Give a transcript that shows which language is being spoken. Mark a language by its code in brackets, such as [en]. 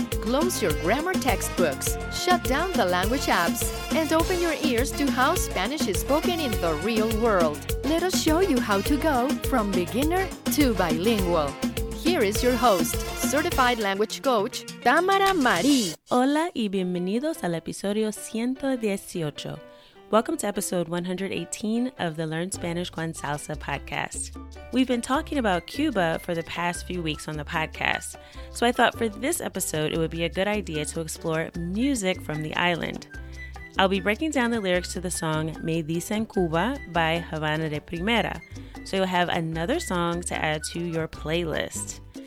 [en] Close your grammar textbooks, shut down the language apps, and open your ears to how Spanish is spoken in the real world. Let us show you how to go from beginner to bilingual. Here is your host, Certified Language Coach, Tamara Marie. [es] Hola y bienvenidos al episodio 118. [en] Welcome to episode 118 of the Learn Spanish con Salsa podcast. We've been talking about Cuba for the past few weeks on the podcast, so I thought for this episode it would be a good idea to explore music from the island. I'll be breaking down the lyrics to the song Me Dicen Cuba by Havana de Primera, so you'll have another song to add to your playlist.